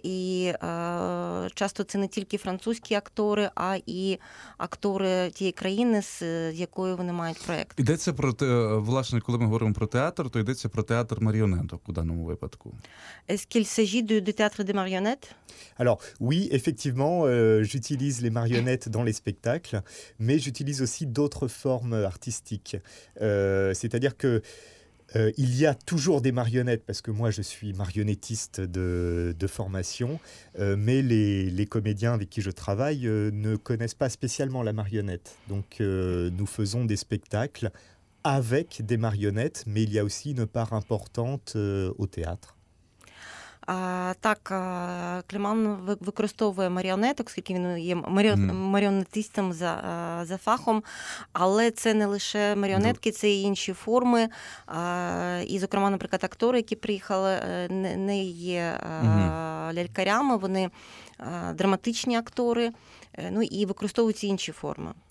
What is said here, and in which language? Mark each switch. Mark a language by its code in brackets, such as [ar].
[uk] І часто це не тільки французькі актори, а і актори тієї країни, з якою вони мають проєкт. Йдеться про те, власне, коли ми говоримо про театр, то йдеться про театр маріонеток у даному випадку. [fr] Est-ce qu'il s'agit du théâtre des marionnettes? Alors oui, effectivement, j'utilise les marionnettes dans les spectacles, mais j'utilise aussi d'autres formes artistiques. C'est-à-dire que il y a toujours des marionnettes, parce que moi je suis marionnettiste de formation, mais les comédiens avec qui je travaille ne connaissent pas spécialement la marionnette. Donc nous faisons des spectacles avec des marionnettes, mais il y a aussi une part importante au théâtre. [uk] Так, Кліман використовує маріонеток, оскільки він є маріонетистом за фахом. Але це не лише маріонетки, це і інші форми. І, зокрема, наприклад, актори, які приїхали, не є лялькарями, вони драматичні актори, ну і використовують інші форми.